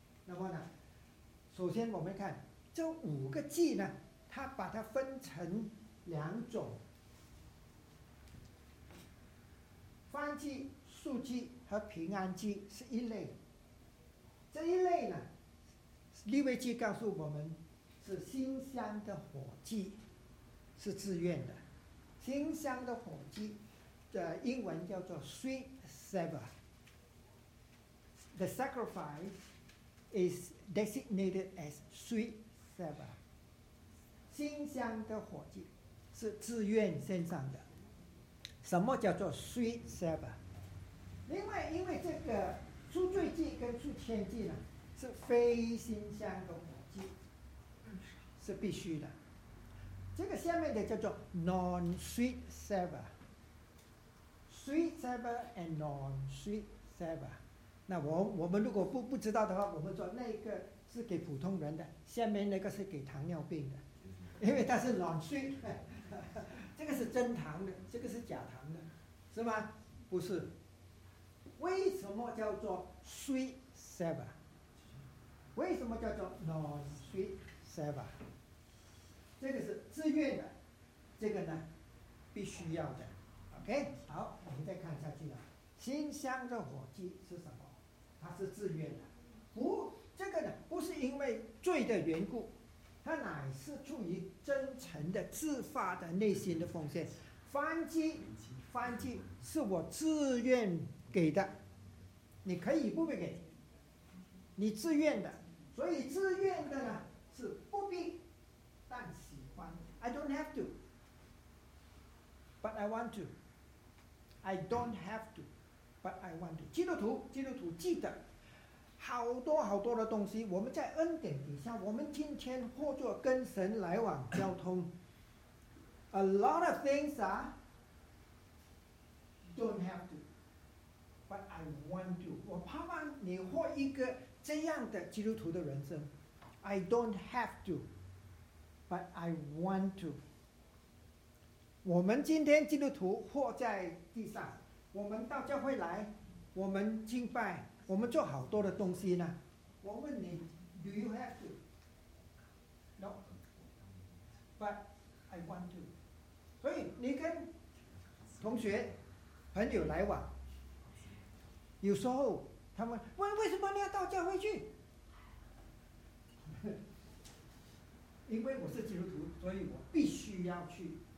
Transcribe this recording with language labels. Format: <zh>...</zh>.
<zh>那么呢，首先我们看这五个祭呢，他把它分成两种，燔祭、素祭和平安祭是一类。这一类呢，利未记告诉我们是馨香的火祭，是自愿的。馨香的火祭的英文叫做 sweet savor。</zh> <en>The sacrifice is designated as sweet savor。</en> <zh>馨香的火祭是自愿献上的。什么叫做 sweet savor？ 另外因为这个赎罪祭跟赎愆祭呢，是非馨香的火祭，是必须的。这个下面的叫做 non-sweet savor， sweet savor and non-sweet savor。那 我们如果 不知道的话，我们说那个是给普通人的，下面那个是给糖尿病的，因为它是 non-sweet。这个是真糖的，这个是假糖的，是吗？不是。为什么叫做 sweet savor？ 为什么叫做 non-sweet savor？这个是自愿的，这个呢必须要的。 OK， 好，我们再看下去了。馨香的火祭是什么？它是自愿的。不，这个呢不是因为罪的缘故，它乃是出于真诚的自发的内心的奉献。燔祭，燔祭是我自愿给的，你可以不必给，你自愿的。所以自愿的呢是不必但喜欢。</zh> <en>I don't have to but I want to。 I don't have to but I want to。</en> <zh>基督徒记得好多好多的东西，我们在恩典底下，我们今天或者跟神来往交通</zh> <en>a lot of things are don't have to but I want to。</en> <zh>我盼望你或一个这样的基督徒的人生，</zh> <en>I don't have toBut I want to。</en> <zh>我们今天基督徒活在地上，我们到教会来，我们敬拜，我们做好多的东西呢。我问你</zh> <en>Do you have to? No But I want to。</en> <zh>所以你跟同学朋友来往，有时候他们问为什么你要到教会去，因为我是基督徒，所以我必须要去。</zh>